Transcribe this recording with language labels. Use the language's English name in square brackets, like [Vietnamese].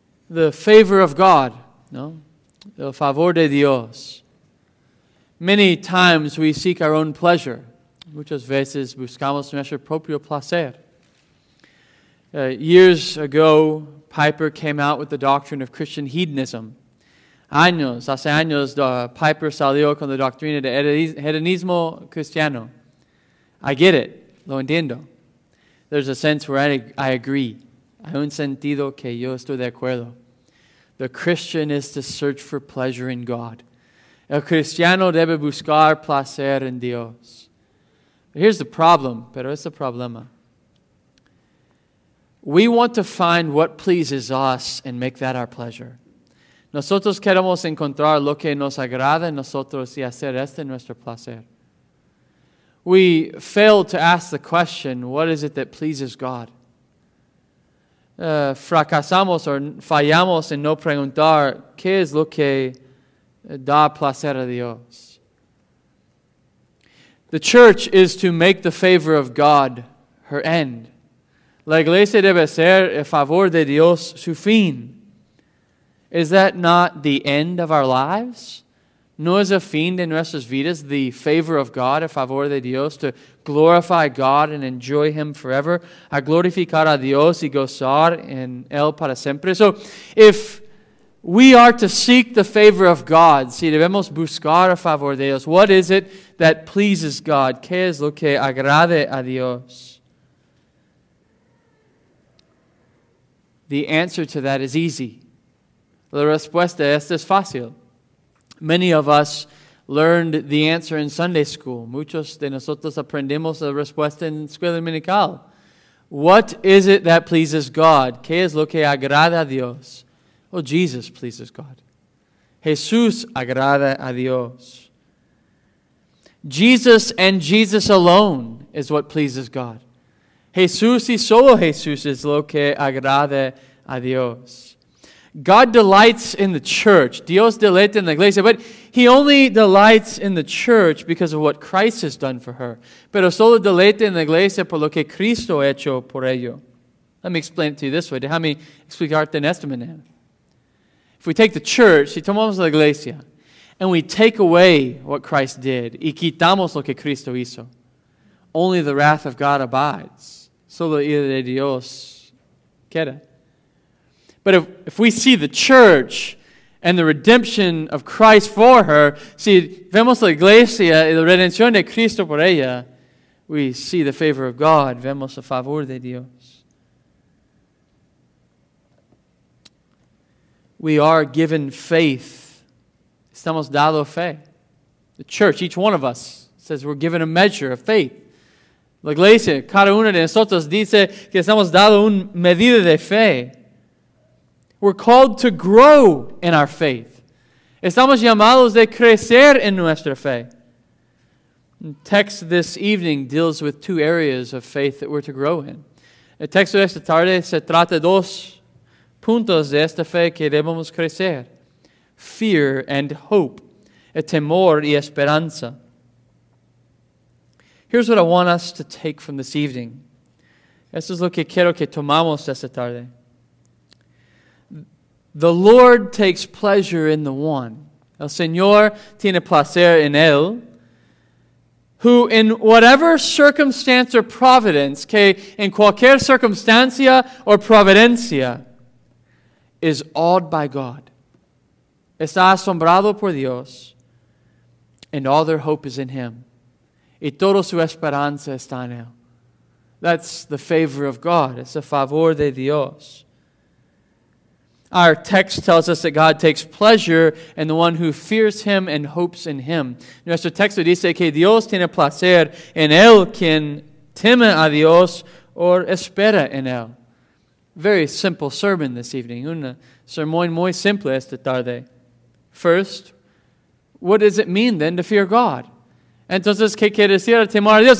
[English] The favor of God, no? [Spanish] El favor de Dios. [English] Many times we seek our own pleasure. [Spanish] Muchas veces buscamos nuestro propio placer. [English] Years ago, Piper came out with the doctrine of Christian hedonism. [Spanish] Hace años, Piper salió con la doctrina de hedonismo cristiano. [English] I get it. [Spanish] Lo entiendo. [English] There's a sense where I agree. [Spanish] Hay un sentido que yo estoy de acuerdo. [English] The Christian is to search for pleasure in God. [Spanish] El cristiano debe buscar placer en Dios. [English] Here's the problem, [Spanish] pero es el problema. [English] We want to find what pleases us and make that our pleasure. [Spanish] Nosotros queremos encontrar lo que nos agrada en nosotros y hacer este nuestro placer. [English] We fail to ask the question, what is it that pleases God? [Spanish] Fracasamos o fallamos en no preguntar, ¿qué es lo que da placer a Dios? [English] The church is to make the favor of God her end. [Spanish] La iglesia debe ser el favor de Dios su fin. [English] Is that not the end of our lives? [Spanish] No es el fin de nuestras vidas, [English] the favor of God, [Spanish] el favor de Dios, [English] to glorify God and enjoy Him forever, [Spanish] a glorificar a Dios y gozar en Él para siempre. [English] So, if we are to seek the favor of God, [Spanish] si debemos buscar el favor de Dios, [English] what is it that pleases God? [Spanish] ¿Qué es lo que agrade a Dios? [English] The answer to that is easy. [Spanish] La respuesta a esto es fácil. [English] Many of us learned the answer in Sunday school. [Spanish] Muchos de nosotros aprendimos la respuesta en escuela dominical. [English] What is it that pleases God? [Spanish] ¿Qué es lo que agrada a Dios? [English] Well, Jesus pleases God. [Spanish] Jesús agrada a Dios. [English] Jesus and Jesus alone is what pleases God. [Spanish] Jesús y solo Jesús es lo que agrada a Dios. [English] God delights in the church. [Spanish] Dios deleita en la iglesia. [English] But He only delights in the church because of what Christ has done for her. [Spanish] Pero solo deleita en la iglesia por lo que Cristo ha hecho por ello. [English] Let me explain it to you this way. [Spanish] Déjame explicarte en esta manera. [English] If we take the church, [Spanish] si tomamos la iglesia, [English] and we take away what Christ did, [Spanish] y quitamos lo que Cristo hizo, [English] only the wrath of God abides. [Spanish] Solo ira de Dios [English] get it? But if we see the church and the redemption of Christ for her, see, [Spanish] vemos la iglesia y la redención de Cristo por ella, [English] we see the favor of God, [Spanish] vemos el favor de Dios. [English] We are given faith. [Spanish] Estamos dado fe. [English] The church, each one of us, says we're given a measure of faith. [Spanish] La iglesia, cada uno de nosotros dice que estamos dado un medida de fe. [English] We're called to grow in our faith. [Spanish] Estamos llamados de crecer en nuestra fe. [English] The text this evening deals with two areas of faith that we're to grow in. [Spanish] El texto de esta tarde se trata de dos puntos de esta fe que debemos crecer. [English] Fear and hope. [Spanish] El temor y esperanza. [English] Here's what I want us to take from this evening. [Spanish] Esto es lo que quiero que tomamos esta tarde. [English] The Lord takes pleasure in the one. [Spanish] El Señor tiene placer en él. [English] Who in whatever circumstance or providence, [Spanish] que en cualquier circunstancia or providencia, [English] is awed by God. [Spanish] Está asombrado por Dios. [English] And all their hope is in him. [Spanish] Y toda su esperanza está en él. [English] That's the favor of God. [Spanish] Es el favor de Dios. [English] Our text tells us that God takes pleasure in the one who fears him and hopes in him. [Spanish] Nuestro texto dice que Dios tiene placer en él quien teme a Dios o espera en él. [English] Very simple sermon this evening. [Spanish] Un sermón muy simple esta tarde. [English] First, what does it mean then to fear God? [Spanish] Entonces, ¿qué quiere decir el temor a Dios?